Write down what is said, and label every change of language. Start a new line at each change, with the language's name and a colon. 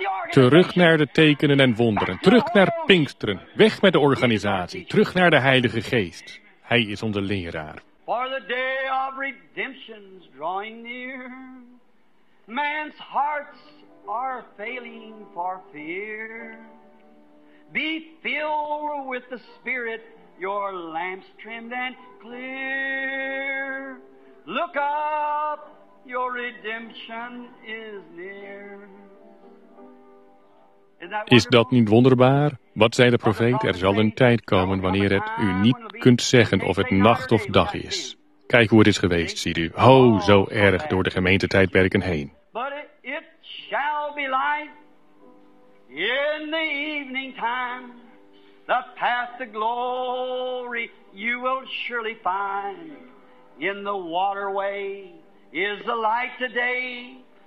Dutch: Terug naar de tekenen en wonderen. Terug naar Pinksteren. Weg met de organisatie. Terug naar de Heilige Geest. Hij is onze leraar.
English: For the day of redemption's drawing near. Man's hearts are failing for fear. Be filled with the Spirit, your lamps trimmed and clear. Look up, your redemption is near.
Dutch: Is dat niet wonderbaar? Wat zei de profeet? Er zal een tijd komen wanneer het u niet kunt zeggen of het nacht of dag is. Kijk hoe het is geweest, ziet u. Ho, zo erg door de gemeentetijdperken heen.
English: But it shall be light in the evening time. The path to glory you will surely find. In the waterway is the light today.